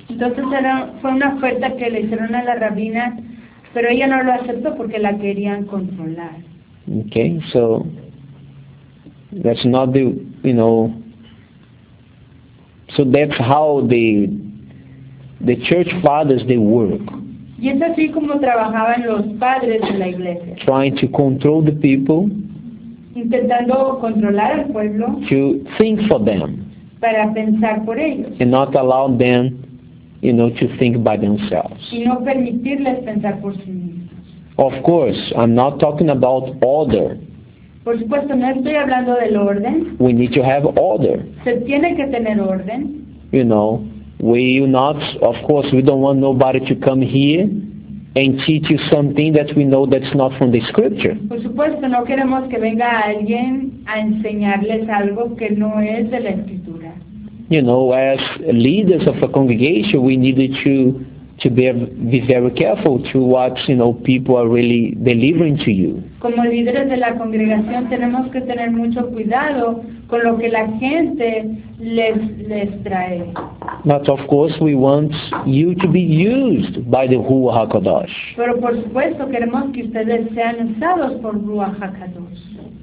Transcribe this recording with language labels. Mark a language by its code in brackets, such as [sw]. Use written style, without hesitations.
[es] Entonces fue una oferta que le hicieron a la Rabina, pero ella no lo aceptó porque la querían controlar. [en] Okay, so that's not the, you know, so that's how the church fathers, they work. [es] Y es así como trabajaban los padres de la iglesia. [en] Trying to control the people. [es] Intentando controlar al pueblo. [en] To think for them. [es] Para pensar por ellos. [en] And not allow them, you know, to think by themselves. [es] Y no permitirles pensar por sí mismos. [en] Of course, I'm not talking about order. [es] Por supuesto, no estoy hablando del orden. [en] We need to have order. [es] Se tiene que tener orden. [en] You know, we not, of course, we don't want nobody to come here and teach you something that we know that's not from the scripture. [es] Por supuesto, no queremos que venga alguien a enseñarles algo que no es de la escritura. [en] You know, as leaders of a congregation, we needed to be very careful to what, you know, people are really delivering to you. [es] Como líderes de la congregación tenemos que tener mucho cuidado con lo que la gente les trae. [en] But of course we want you to be used by the Ruach HaKodesh. [es] Pero por supuesto queremos que ustedes sean usados por Ruach HaKodesh.